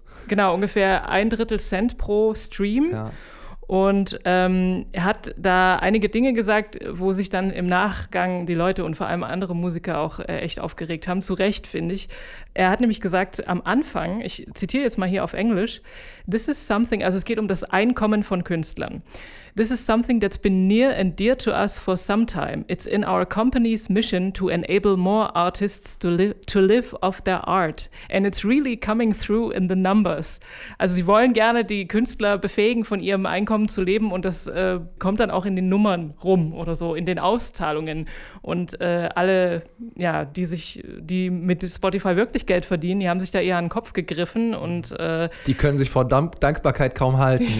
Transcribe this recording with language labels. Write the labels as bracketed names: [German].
[German] Genau, ungefähr ein Drittel Cent pro Stream. Ja. Und er hat da einige Dinge gesagt, wo sich dann im Nachgang die Leute und vor allem andere Musiker auch echt aufgeregt haben. Zu Recht, finde ich. Er hat nämlich gesagt am Anfang, ich zitiere jetzt mal hier auf Englisch, [English] this is something, [German] also es geht um das Einkommen von Künstlern. [English] This is something that's been near and dear to us for some time. It's in our company's mission to enable more artists to live off their art. And it's really coming through in the numbers. [German] Also sie wollen gerne die Künstler befähigen, von ihrem Einkommen zu leben. Und das kommt dann auch in den Nummern rum oder so, in den Auszahlungen. Und alle, ja, die mit Spotify wirklich Geld verdienen, die haben sich da eher an den Kopf gegriffen. Und die können sich vor Dankbarkeit kaum halten.